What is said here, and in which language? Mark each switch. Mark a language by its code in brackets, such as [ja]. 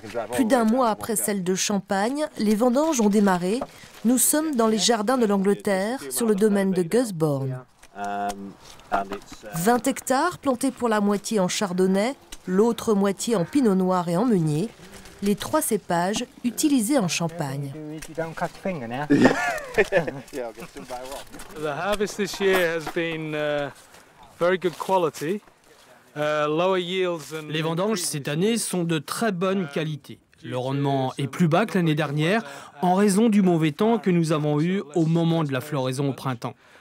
[fr] Plus d'un mois après celle de Champagne, les vendanges ont démarré. Nous sommes dans les jardins de l'Angleterre, sur le domaine de Gusbourne. 20 hectares plantés pour la moitié en chardonnay, l'autre moitié en pinot noir et en meunier. Les trois cépages utilisés en champagne. [en] The harvest this year has been very good quality. Lower yields and [fr] les vendanges cette année sont de très bonne qualité. Le rendement est plus bas que l'année dernière en raison du mauvais temps que nous avons eu au moment de la floraison au printemps.